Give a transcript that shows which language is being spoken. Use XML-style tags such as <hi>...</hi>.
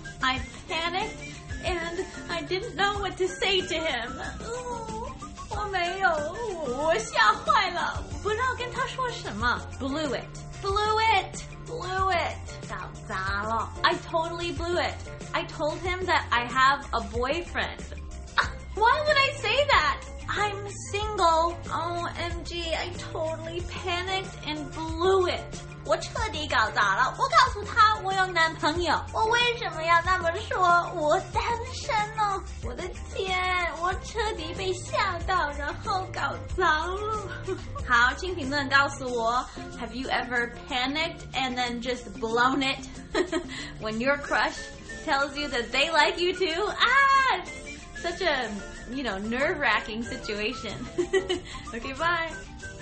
<en>I panicked and I didn't know what to say to him.</en> <zh>我没有，我吓坏了，不知道跟他说什么。</zh> <en>Blew it. Blew it. Blew it.</en> <zh>搞砸了。</zh> <en>I totally blew it. I told him that I have a boyfriend. Why would I say that? I'm single. OMG, I totally panicked and blew it.</en> <zh>我彻底搞砸了。我告诉他我有男朋友。我为什么要那么说？我单身呢。我的天，我彻底被吓到，然后搞砸了。好，请评论告诉我</zh> <en>，Have you ever panicked and then just blown it when your crush tells you that they like you too? Ah, such a...you know, nerve-wracking situation. Okay, bye.</en>